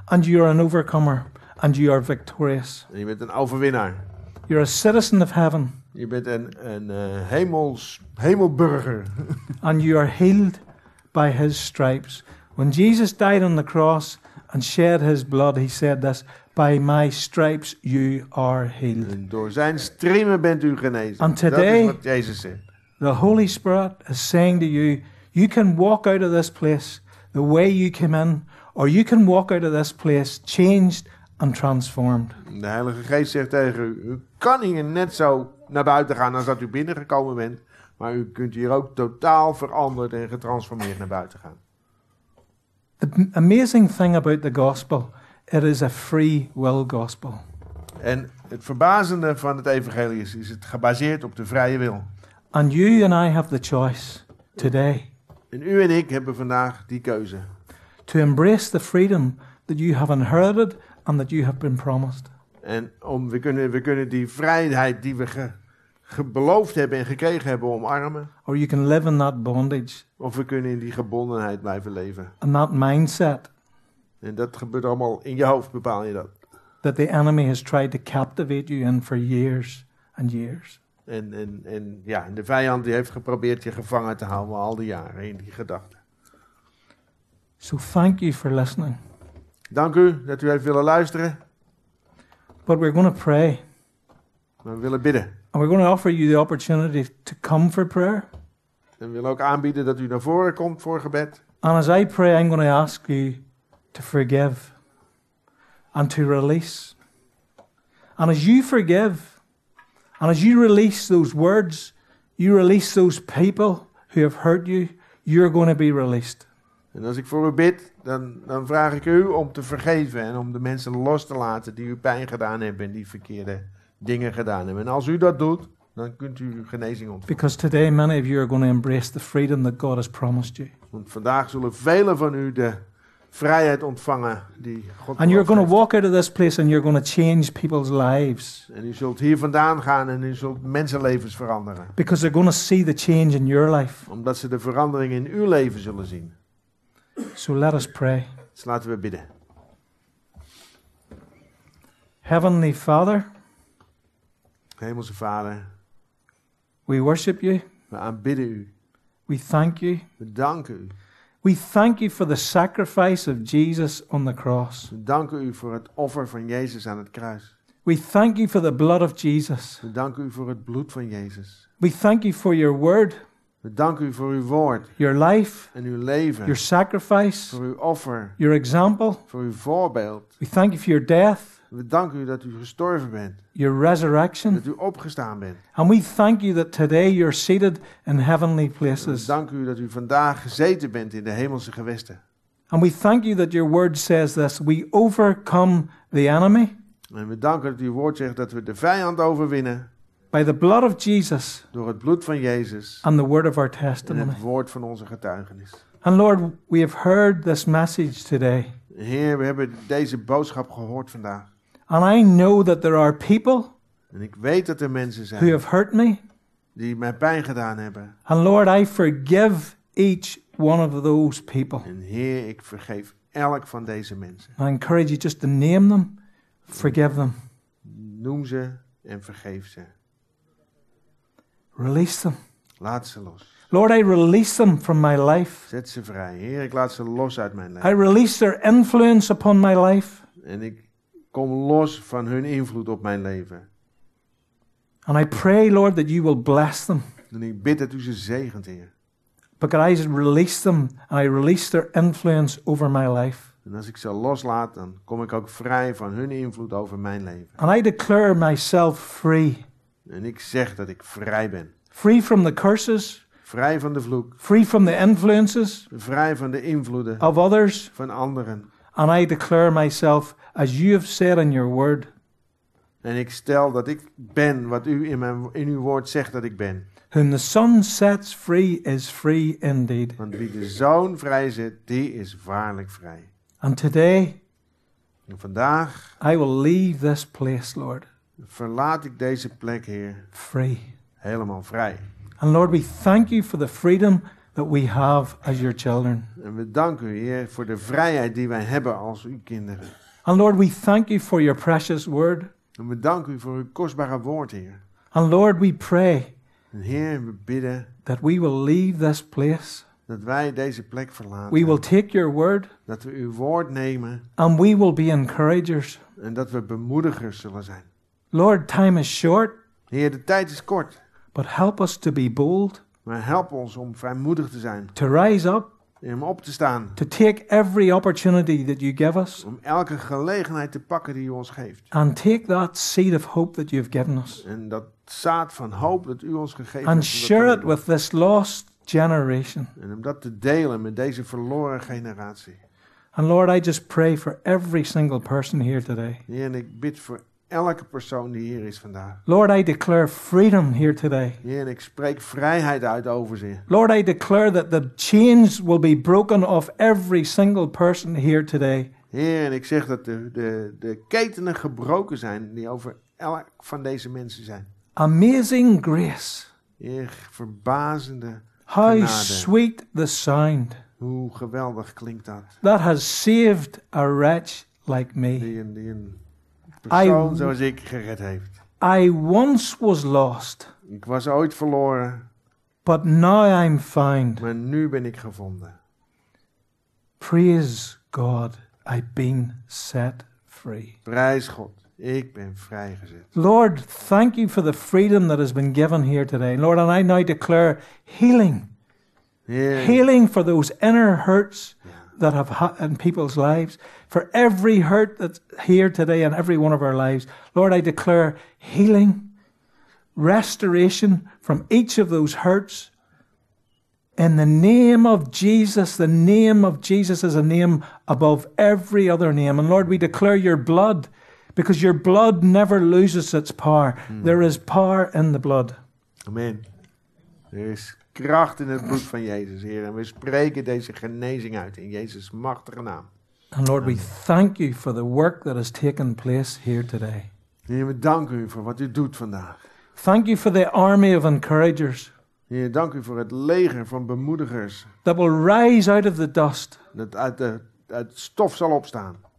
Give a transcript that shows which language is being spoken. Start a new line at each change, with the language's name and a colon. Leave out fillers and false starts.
English: And you are an overcomer and you are victorious.
Dutch: En je bent een overwinnaar.
English: You're a citizen of heaven.
Dutch: Je bent een hemelburger.
English: And you are healed by his stripes. When Jesus died on the cross and shed his blood, he said this, by my stripes you are healed.
Dutch: En door zijn striemen bent u genezen.
English: And today,
Dutch: dat is wat Jezus zegt.
English: The Holy Spirit is saying to you, you can walk out of this place the way you came in, or you can walk out of this place changed and transformed.
Dutch: De Heilige Geest zegt tegen u, u kan hier net zo naar buiten gaan als dat u binnengekomen bent, maar u kunt hier ook totaal veranderd en getransformeerd naar buiten gaan.
English: The amazing thing about the gospel, it is a free will gospel.
Dutch: En het verbazende van het evangelie is het gebaseerd op de vrije wil.
English: And you and I have the choice today.
Dutch: En u en ik hebben vandaag die keuze.
English: To embrace the freedom that you have inherited and that you have been promised.
Dutch: En om we kunnen die vrijheid die we beloofd hebben en gekregen hebben omarmen.
English: Or you can live in that bondage.
Dutch: Of we kunnen in die gebondenheid blijven leven.
English: And that mindset.
Dutch: En dat gebeurt allemaal in je hoofd, bepaal je dat.
English: That the enemy has tried to captivate you in for years and years.
Dutch: En ja, de vijand die heeft geprobeerd je gevangen te houden al die jaren in die gedachten.
English: So thank you for listening.
Dutch: Dank u dat u heeft willen luisteren.
English: But we're going to pray.
Dutch: Maar we willen bidden.
English: And we're going to offer you the opportunity to come for prayer.
Dutch: En we willen ook aanbieden dat u naar voren komt voor gebed.
English: And as I pray, I'm going to ask you to forgive. and to release. And as you forgive, and as you release those words, you release those people who have hurt you, you're going to be released.
Dutch: En als ik voor u bid, dan vraag ik u om te vergeven en om de mensen los te laten die u pijn gedaan hebben en die verkeerde dingen gedaan hebben. En als u dat doet, dan kunt u uw genezing ontvangen.
English: Because today many of you are going to embrace the freedom that God has promised you.
Dutch: Want vandaag zullen velen van u de vrijheid ontvangen die God.
English: And you're going to walk out of this place and you're going to change people's lives.
Dutch: En u zult hier vandaan gaan en u zult mensenlevens veranderen.
English: Because they're going to see the change in your life.
Dutch: Omdat ze de verandering in uw leven zullen zien.
English: So let us pray.
Dutch: Dus laten we bidden.
English: Heavenly Father.
Dutch: Hemelse Vader.
English: We worship you.
Dutch: We aanbidden u.
English: We thank you.
Dutch: We danken u.
English: We thank you for the sacrifice of Jesus on the cross.
Dutch: We danken u voor het offer van Jezus aan het kruis.
English: We thank you for the blood of Jesus.
Dutch: We danken u voor het bloed van Jezus.
English: We thank you for your word.
Dutch: We danken u voor uw woord.
English: Your life.
Dutch: En uw leven.
English: Your sacrifice.
Dutch: Voor uw offer.
English: Your example.
Dutch: Voor uw voorbeeld.
English: We thank you for your death.
Dutch: We danken u dat u gestorven bent.
English: Your resurrection.
Dutch: Dat u opgestaan bent.
English: And we thank you that today you're seated in heavenly places.
Dutch: We danken u dat u vandaag gezeten bent in de hemelse gewesten.
English: And we thank you that your word says this, we overcome the enemy.
Dutch: En we danken dat uw woord zegt dat we de vijand overwinnen.
English: By the blood of Jesus.
Dutch: Door het bloed van Jezus.
English: And the word of our testimony.
Dutch: En het woord van onze getuigenis.
English: And Lord, we have heard this message today.
Dutch: Heer, we hebben deze boodschap gehoord vandaag.
English: And I know that there are people.
Dutch: En ik weet dat er mensen zijn.
English: Who have hurt me.
Dutch: Die mij pijn gedaan hebben.
English: And Lord, I forgive each one of those people.
Dutch: En Heer, ik vergeef elk van deze mensen.
English: I encourage you just to name them. Forgive them.
Dutch: Noem ze en vergeef ze.
English: Release them.
Dutch: Laat ze los.
English: Lord, I release them from my life.
Dutch: Zet ze vrij. Heer, ik laat ze los uit mijn leven.
English: I release their influence upon my life.
Dutch: En ik kom los van hun invloed op mijn leven.
English: And I pray, Lord, that you will bless them.
Dutch: En ik bid dat u ze zegent, Heer.
English: Because I release them and I release their influence over my life.
Dutch: En als ik ze loslaat, dan kom ik ook vrij van hun invloed over mijn leven.
English: And I declare myself free.
Dutch: En ik zeg dat ik vrij ben.
English: Free from the curses.
Dutch: Vrij van de vloek.
English: Free from the influences.
Dutch: Vrij van de invloeden.
English: Of others.
Dutch: Van anderen.
English: And I declare myself as you have said in your word.
Dutch: En ik stel dat ik ben wat u in uw woord zegt dat ik ben.
English: Whom the Son sets free is free indeed.
Dutch: Want wie de Zoon vrij zet, die is waarlijk vrij.
English: And today.
Dutch: En vandaag.
English: I will leave this place, Lord.
Dutch: Verlaat ik deze plek, Heer.
English: Free.
Dutch: Helemaal vrij.
English: And Lord, we thank you for the freedom that we have as your children.
Dutch: En we danken u, Heer, voor de vrijheid die wij hebben als uw kinderen.
English: And Lord, we thank you for your precious word.
Dutch: En we danken u voor uw kostbare woord, Heer.
English: And Lord, we pray.
Dutch: En Heer, we bidden.
English: That we will leave this place.
Dutch: Dat wij deze plek verlaten.
English: We will take your word.
Dutch: Dat we uw woord nemen.
English: And we will be encouragers.
Dutch: En dat we bemoedigers zullen zijn.
English: Lord, time is short.
Dutch: Heer, de tijd is kort.
English: But help us to be bold.
Dutch: Maar help ons om vrijmoedig te zijn.
English: To rise up.
Dutch: Om op te staan.
English: To take every opportunity that you give us.
Dutch: Om elke gelegenheid te pakken die u ons geeft.
English: And take that seed of hope that you have given us.
Dutch: En dat zaad van hoop dat u ons gegeven
English: and And share it with this lost generation.
Dutch: En om dat te delen met deze verloren generatie.
English: And Lord, I just pray for every single person here today.
Dutch: Heer, en ik bid voor elke persoon die hier is vandaag.
English: Lord, I declare freedom here today.
Dutch: Heer, en ik spreek vrijheid uit over ze.
English: Lord, I declare that the chains will be broken off every single person here today.
Dutch: Heer, en ik zeg dat de ketenen gebroken zijn die over elk van deze mensen zijn.
English: Amazing grace.
Dutch: Heer, verbazende
English: how
Dutch: genade.
English: Sweet the sound.
Dutch: Hoe geweldig klinkt dat.
English: That has saved a wretch like me.
Dutch: Die een persoon zoals ik gered heeft.
English: I once was lost.
Dutch: Ik was ooit verloren.
English: But now I'm found.
Dutch: Maar nu ben ik gevonden.
English: Praise God, I've been set free.
Dutch: Prijs God, ik ben vrijgezet.
English: Lord, thank you for the freedom that has been given here today. Lord, and I now declare healing. Yeah. Healing for those inner hurts. that have in people's lives, for every hurt that's here today in every one of our lives. Lord, I declare healing, restoration from each of those hurts in the name of Jesus. The name of Jesus is a name above every other name. And Lord, we declare your blood, because your blood never loses its power. Mm. There is power in the blood. Amen. There is
Dutch: kracht in het bloed van Jezus, Heer. En we spreken deze genezing uit in Jezus' machtige naam.
English: And Lord, Amen. We thank you for the work that has taken place here today.
Dutch: Heer, we danken u voor wat u doet vandaag.
English: Thank you for the army of encouragers.
Dutch: Heer, dank u voor het leger van bemoedigers.
English: That will rise out of the dust.
Dutch: Dat uit stof zal opstaan.